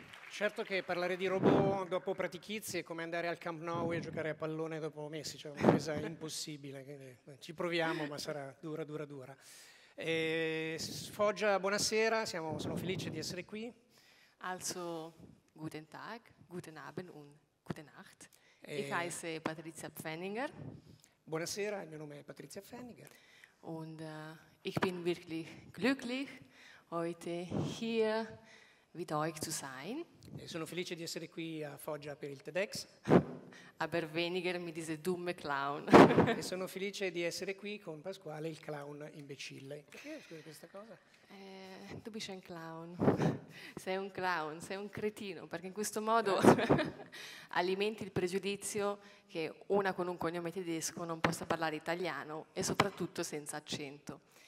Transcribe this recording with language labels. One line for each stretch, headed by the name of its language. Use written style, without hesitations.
Italian: Certo che parlare di robot dopo pratichizzi è come andare al Camp Nou e giocare a pallone dopo Messi, cioè una cosa impossibile. Ci proviamo, ma sarà dura, dura, dura. E Foggia, buonasera, sono felice di essere qui.
German: Also, guten Tag, guten Abend und gute Nacht. Ich heiße Patrizia Pfenninger.
Italian: Buonasera, il mio nome è Patrizia Pfenninger.
German: Und ich bin wirklich glücklich heute hier mit euch zu sein.
Italian: E sono felice di essere qui a Foggia per il TEDx.
German: Aber weniger mit diese dumme Clown.
Italian: E sono felice di essere qui con Pasquale, il clown imbecille. Perché scusa questa cosa?
German: Tu bist ein Clown.
Italian: Sei un clown, sei un cretino, perché in questo modo alimenti il pregiudizio che una con un cognome tedesco non possa parlare italiano e soprattutto senza accento.